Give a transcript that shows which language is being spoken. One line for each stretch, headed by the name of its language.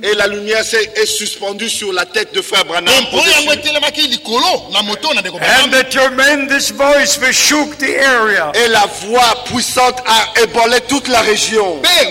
French: Et la lumière est suspendue sur la tête de Frère Branham.
English: And the tremendous voice that shook the area.
French: Et la voix puissante a ébranlé toute la région.